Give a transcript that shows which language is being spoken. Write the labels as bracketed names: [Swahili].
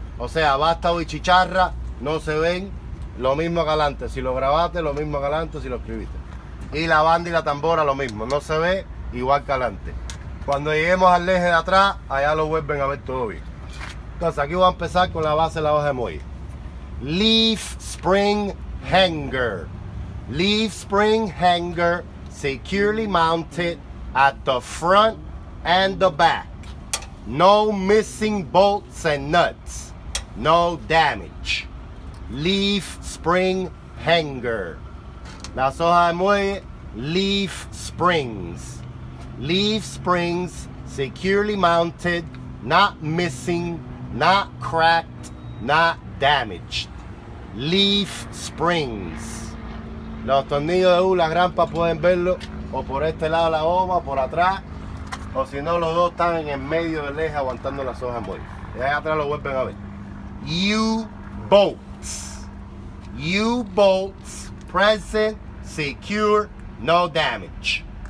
[Spanish] O sea, vástago y chicharra no se ven, lo mismo que adelante. Si lo grabaste, lo mismo que adelante, si lo escribiste. Y la banda y la tambora, lo mismo, no se ve igual que adelante. Cuando lleguemos al eje de atrás, allá lo vuelven a ver todo bien. Entonces, aquí voy a empezar con la base de la hoja de muelle. [English] Leaf spring hanger. Leaf spring hanger securely mounted at the front and the back. No missing bolts and nuts. No damage. Leaf spring hanger. [Spanish] Las hojas de muelle, [English] leaf springs. Leaf springs securely mounted, not missing, not cracked, not damaged. Leaf springs. [Spanish] Los tornillos de U, la grampa, pueden verlo o por este lado de la goma, o por atrás, o si no, los dos están en el medio del eje aguantando las hojas en boy. Y ahí atrás lo vuelven a ver. U-bolts. [English] U-bolts present, secure, no damage.